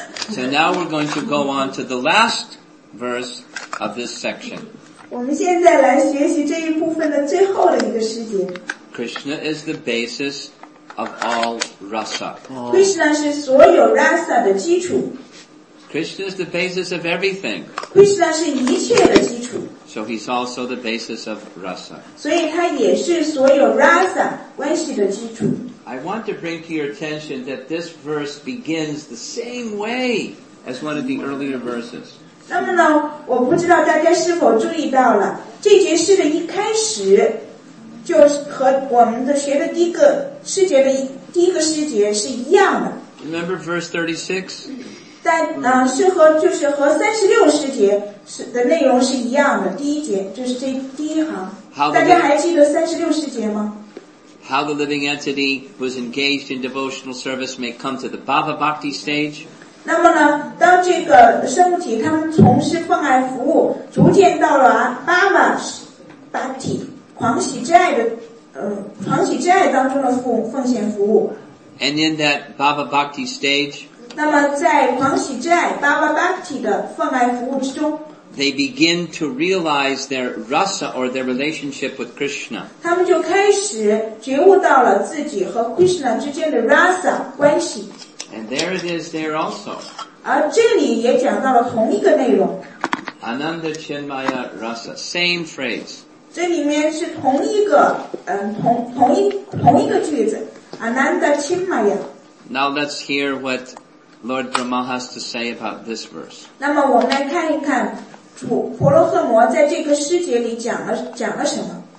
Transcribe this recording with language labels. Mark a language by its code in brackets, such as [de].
[en] So now we're going to go on to the last verse of this section. [zh] 我们现在来学习这一部分的最后的一个时节。 [en] Krishna is the basis of all rasa. [zh] Krishna 是所有 rasa 的基础。 [en] Krishna is the basis of everything. [zh] Krishna 是一切的基础。 [en] So he's also the basis of rasa. [zh] 所以他也是所有 rasa 关系的基础。 [en] I want to bring to your attention that this verse begins the same way as one of the earlier verses. [zh] 那么呢，我不知道大家是否注意到了，这节诗的一开始就和我们的学的第一个诗节的第一个诗节是一样的。 [en] Remember verse 36? [zh] 是和36诗节的内容是一样的，第一节，就是这第一行。大家还记得36诗节吗？ [en] How the living entity who is engaged in devotional service may come to the bhava bhakti stage. [zh] 那么呢，当这个生物体他们从事奉爱服务，逐渐到了bhava bhakti 狂喜之爱的狂喜之爱当中的奉献服务。 [en] And in that bhava bhakti stage. [zh] 那么在狂喜之爱bhava bhakti 的奉爱服务之中。 [en] They begin to realize their rasa or their relationship with Krishna. [zh] 他们就开始觉悟到了自己和 Krishna 之间的 rasa 关系。 [en] And there it is there also. [zh] 而这里也讲到了同一个内容。 [en] Ananda Chinmaya rasa, same phrase. [zh] 这里面是同一个句子 ,Ananda Chinmaya. [en] Now let's hear what Lord Brahma has to say about this verse. [zh] 那么我们来看一看婆罗诃摩在这个诗节里讲了什么。